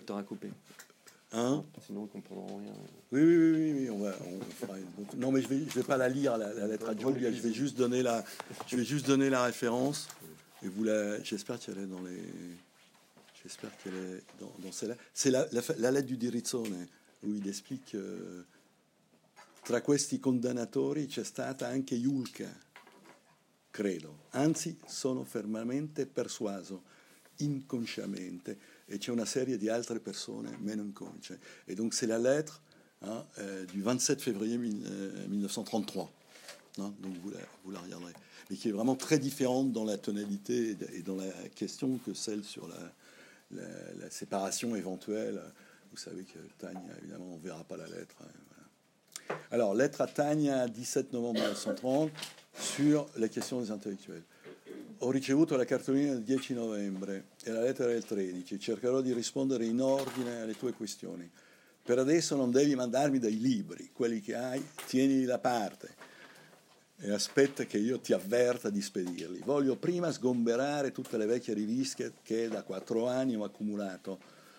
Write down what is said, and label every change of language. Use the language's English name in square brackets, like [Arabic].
[French] Que tu auras coupé. Hein ? Sinon, on ne comprendra rien. Oui. On fera une... Donc, non, mais je vais pas la lire, la lettre à Julia. Je vais juste donner la référence. Et vous, j'espère qu'elle est dans les... J'espère qu'elle est dans celle-là. C'est la lettre du Dirizzone, où il explique [Italian] tra questi condannatori c'è stata anche Julca. credo, anzi sono fermamente persuaso, inconsciamente, e c'è una serie di altre persone meno inconsce. [French] Et donc c'est la lettre du 27 février 1933. Non, donc vous la regarderez, mais qui est vraiment très différente dans la tonalité et dans la question que celle sur la séparation éventuelle. Vous savez que Tania, évidemment, on ne verra pas la lettre. Voilà. Alors, lettre à Tania, 17 novembre 1930, sur la question des intellectuels. [Italian] Ho ricevuto la cartolina il 10 novembre e la lettera il 13. Cercherò di rispondere in ordine alle tue questioni. Per adesso non devi mandarmi dei libri, quelli che hai, tienili da parte. E aspetta che io ti avverta di spedirli. Voglio prima sgomberare tutte le vecchie riviste che da 4 anni ho accumulato.